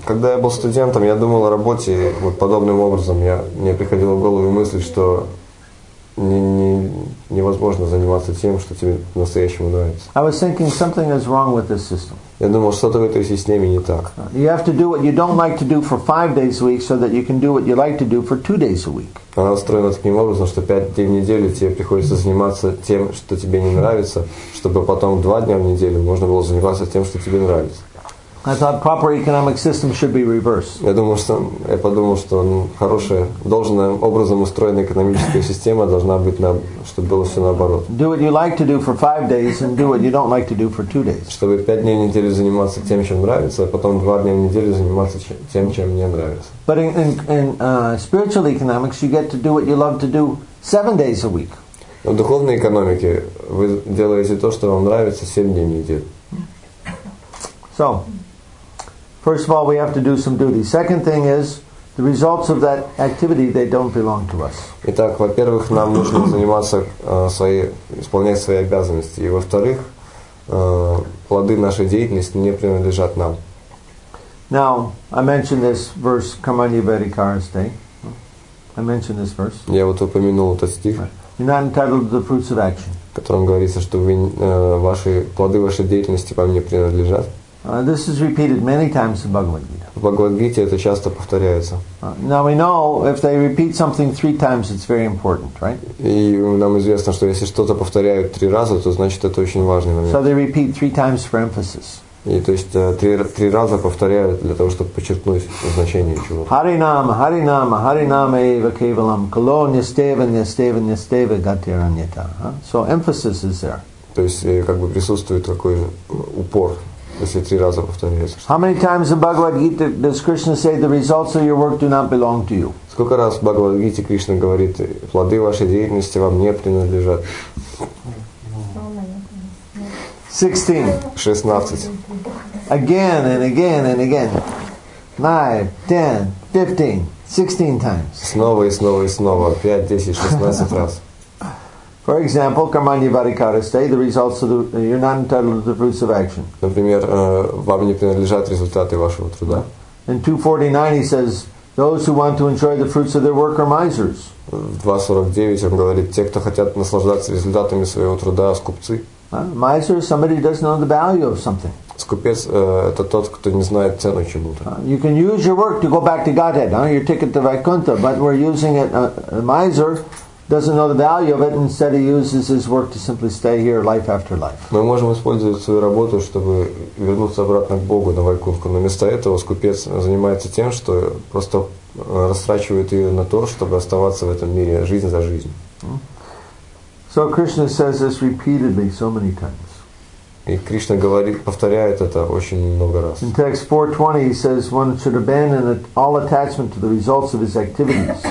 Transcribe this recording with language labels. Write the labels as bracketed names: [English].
[Russian] Когда я был студентом, я думал о работе вот подобным образом. Мне приходило в голову мысль, что невозможно заниматься тем, что тебе настоящему нравится. [English] I was thinking something is wrong with this system. [Russian] Я думал, что-то в этой системе не так. [English] You have to do what you don't like to do for 5 days a week, so that you can do what you like to do for 2 days a week. [Russian] Она устроена таким образом, что 5 дней в неделю тебе приходится заниматься тем, что тебе не нравится, чтобы потом 2 дня в неделю можно было заниматься тем, что тебе нравится. [English] I thought proper economic system should be reversed. [Russian] Я подумал, что хорошая, должным образом устроенная экономическая система должна быть, чтобы было все наоборот. [English] Do what you like to do for 5 days and do what you don't like to do for 2 days. [Russian] Чтобы 5 дней в неделю заниматься тем, чем нравится, а потом 2 дня в неделю заниматься тем, чем не нравится. [English] But in spiritual economics, you get to do what you love to do 7 days a week. [Russian] В духовной экономике вы делаете то, что вам нравится, 7 дней в неделю. [English] So, first of all, we have to do some duty. Second thing is, the results of that activity, they don't belong to us. [Russian] Итак, во-первых, нам нужно заниматься исполнять свои обязанности. И во-вторых, плоды нашей деятельности не принадлежат нам. [English] Now, I mentioned this verse, Kamanyavarikaraste. I mentioned this verse. [Russian] Я вот упомянул этот стих. в котором говорится, что вы, ваши плоды вашей деятельности вам не принадлежат. [English] This is repeated many times in Bhagavad Gita. [Russian] В Бхагавад-гите это часто повторяется. [English] Now we know if they repeat something three times, it's very important, right? [Russian] И нам известно, что если что-то повторяют три раза, то значит это очень важный момент. [English] So they repeat three times for emphasis. [Russian] И то есть три раза повторяют для того, чтобы подчеркнуть значение чего-то. [Sanskrit] Харинама, Харинама, Харинама эйва кевалам, кало нистева, нистева, нистева гатираньята. [English] So emphasis is there. [Russian] То есть как бы присутствует такой упор. [English] How many times in Bhagavad Gita does Krishna say the results of your work do not belong to you? [Russian] Сколько раз в Бхагавад Гите Кришна говорит, плоды вашей деятельности вам не принадлежат? [English] 16. Again and again and again. 9, 10, 15, 16 times. [Russian] Снова и снова и снова. 5, 10, 16 раз. [English] For example, [Sanskrit] karmanya varikaraste, [English] the results of you're not entitled to the fruits of action. [Russian] Например, вам не принадлежат результаты вашего труда. [English] In 249 he says, those who want to enjoy the fruits of their work are misers. [Russian] В 249 он говорит, те, кто хотят наслаждаться результатами своего труда, скупцы. [English] Miser is somebody who doesn't know the value of something. [Russian] Скупец это тот, кто не знает цену чему-то. [English] You can use your work to go back to Godhead, huh? Your ticket to Vaikuntha, but we're using it, a miser doesn't know the value of it, instead he uses his work to simply stay here life after life. [Russian] Мы можем использовать свою работу, чтобы вернуться обратно к Богу на Вайкунху, но вместо этого скупец занимается тем, что просто растрачивает ее на то, чтобы оставаться в этом мире жизнь за жизнь. [English] So Krishna says this repeatedly so many times. [Russian] И Кришна говорит, повторяет это очень много раз. [English] In text 4.20 he says one should abandon all attachment to the results of his activities.